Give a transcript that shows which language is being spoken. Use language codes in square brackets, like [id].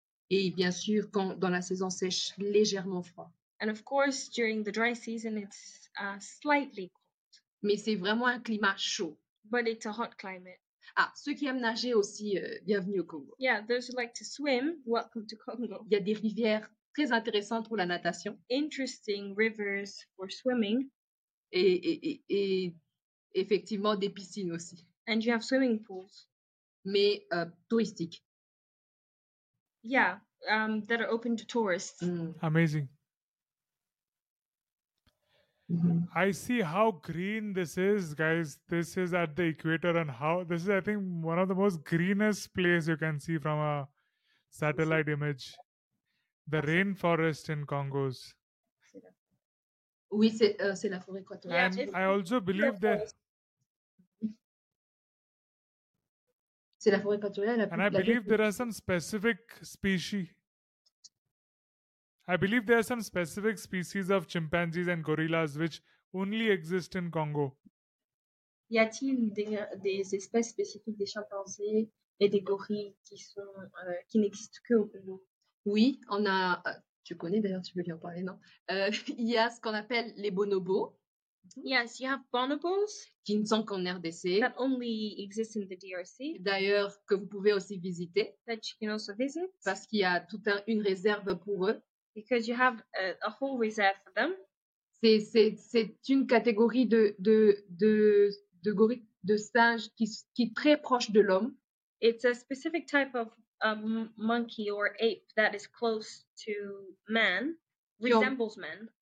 [fr] Et bien sûr, quand dans la saison sèche, légèrement froid. [en] And of course, during the dry season, it's slightly cold. [fr] Mais c'est vraiment un climat chaud. [en] But it's a hot climate. [fr] Ah, ceux qui aiment nager aussi, bienvenue au Congo. [en] Yeah, those who like to swim, welcome to Congo. [fr] Il y a des rivières très intéressantes pour la natation. [en] Interesting rivers for swimming. [fr] Et effectivement, des piscines aussi. [en] And you have swimming pools. [fr] Mais touristiques. [en] Yeah, that are open to tourists. Mm. Amazing. Mm-hmm. I see how green this is, guys. This is at the equator and how... This is, I think, one of the most greenest places you can see from a satellite image. The rainforest in Congo. [fr] Oui, c'est la forêt équatoriale. [en] I also believe that... [fr] C'est la forêt équatoriale la plus [en] And I believe there are some specific species. I believe there are some specific species of chimpanzees and gorillas which only exist in Congo. [fr] Y a-t-il des espèces spécifiques des chimpanzés et des gorilles qui n'existent que au Congo? Oui, on a tu connais d'ailleurs, tu veux lui en parler, non? Il y a ce qu'on appelle les bonobos. [en] Yes, you have bonobos [fr] qui ne sont qu'en RDC. [en] That only exist in the DRC. [fr] D'ailleurs, que vous pouvez aussi visiter. [en] That you can also visit. [fr] Parce qu'il y a toute une réserve pour eux. [en] Because you have a whole reserve for them. [fr] C'est une catégorie de gorilles, de singes qui est très proche de l'homme. [en] It's a specific type of monkey or ape that is close to man, resembles man.